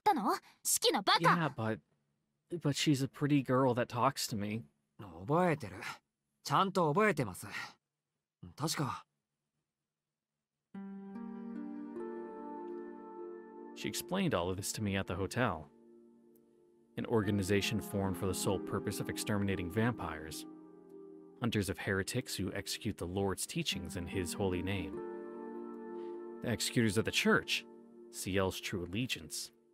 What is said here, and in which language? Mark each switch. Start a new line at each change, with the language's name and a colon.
Japanese: いい、神祖であろうと使徒であろうと吸血鬼にとって代行者は敵なの。前にも話したでしょ。あいつらがどれだけ陰湿な奴らかって。もう忘れちゃったの？式のバカ。
English: Yeah, but she's a pretty girl that talks to me.
Japanese: 覚えてる。ちゃんと覚えてます。確か。
English: She explained all of this to me at the hotel. An organization formed for the sole purpose of exterminating vampires. Hunters of heretics who execute the Lord's teachings in his holy name. The executors of the church, Ciel's true allegiance.